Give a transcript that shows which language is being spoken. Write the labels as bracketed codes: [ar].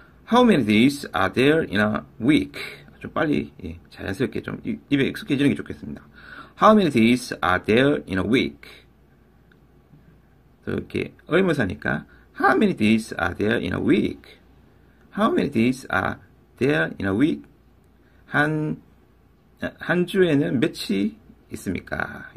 [en] How many days are there in a week? [ko] 좀 빨리, 예, 자연스럽게 좀 입에 익숙해지는 게 좋겠습니다. [en] How many days are there in a week? [ko] 또 이렇게 의무사니까 [en] How many days are there in a week? How many days are there in a week? [ko] 한 주에는 며칠 있습니까?